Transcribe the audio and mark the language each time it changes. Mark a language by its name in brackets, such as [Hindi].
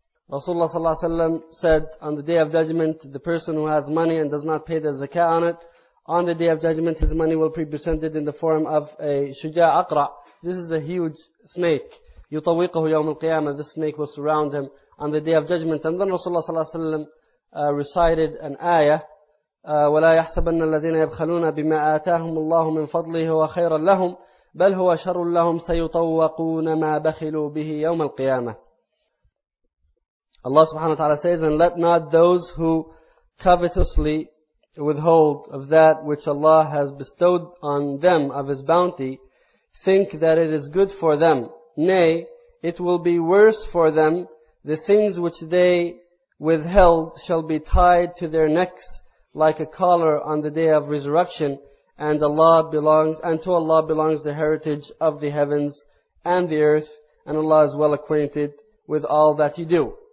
[English] Rasulullah sallallahu alaihi wasallam said, on the day of judgment, the person who has money and does not pay the zakah on it, on the day of judgment, his money will be presented in the form of a shuja' aqra'. This is a huge snake. [Arabic] يُطَوِّقَهُ يَوْمُ الْقِيَامَةِ, [English] this snake will surround him on the day of judgment. And then Rasulullah sallallahu alayhi wa sallam recited an ayah, [Arabic] وَلَا يَحْسَبَنَّ الَّذِينَ يَبْخَلُونَ بِمَا آتَاهُمُ اللَّهُ مِنْ فَضْلِهِ وَخَيْرًا لَهُمْ بَلْ هُوَ شَرٌ لَهُمْ سَيُطَوَّقُونَ مَا بَخِلُوا بِهِ يَوْمَ الْقِيَامَةِ. [English] Allah subhanahu wa ta'ala says, and let not those who covetously withhold of that which Allah has bestowed on them of His bounty think that it is good for them. Nay, it will be worse for them. The things which they withheld shall be tied to their necks like a collar on the day of resurrection, and Allah belongs, and to Allah belongs the heritage of the heavens and the earth, and Allah is well acquainted with all that you do.